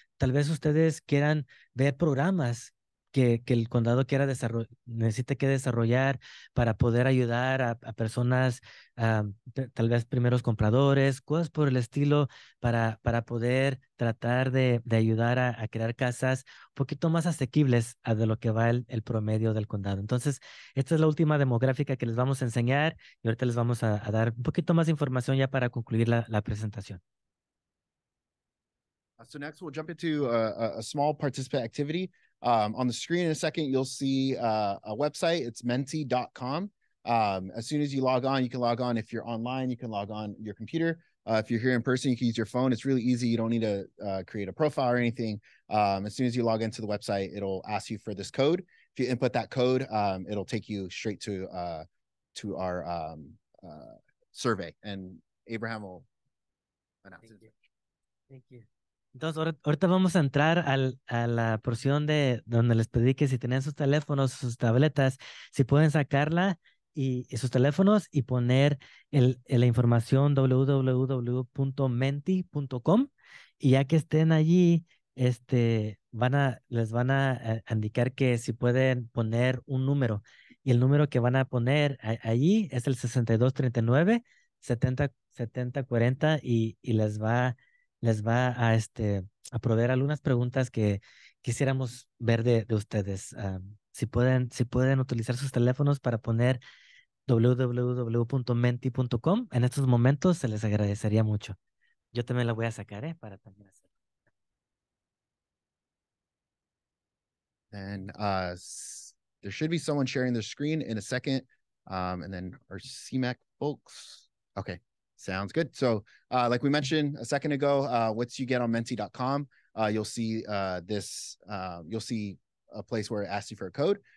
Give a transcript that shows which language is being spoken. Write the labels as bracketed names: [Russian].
[Spanish] Tal vez ustedes quieran ver programas que el condado quiera necesite que desarrollar para poder ayudar a personas, tal vez primeros compradores, cosas por el estilo, para poder tratar de ayudar a crear casas un poquito más asequibles a de lo que va el promedio del condado. Entonces, esta es la última demográfica que les vamos a enseñar y ahorita les vamos a dar un poquito más de información ya para concluir la presentación. [English] So next we'll jump into a small participant activity. On the screen in a second, you'll see a website. It's menti.com. As soon as you log on, you can log on. If you're online, you can log on your computer. If you're here in person, you can use your phone. It's really easy. You don't need to create a profile or anything. As soon as you log into the website, it'll ask you for this code. If you input that code, it'll take you straight to our survey. And Abraham will announce it. Thank you. [Spanish] Entonces, ahorita vamos a entrar a la porción de donde les pedí que si tenían sus teléfonos, sus tabletas, si pueden sacarla y sus teléfonos y poner la información www.menti.com. Y ya que estén allí, les van a indicar que si pueden poner un número. Y el número que van a poner allí es el 6239-7040 y les va a proveer algunas preguntas que quisiéramos ver de ustedes. Si pueden utilizar sus teléfonos para poner www.menti.com, en estos momentos se les agradecería mucho. Yo también la voy a sacar, para también hacerlo. [English] Then there should be someone sharing their screen in a second. And then our CMAC folks. Okay. Sounds good. So like we mentioned a second ago, once you get on menti.com, you'll see you'll see a place where it asks you for a code.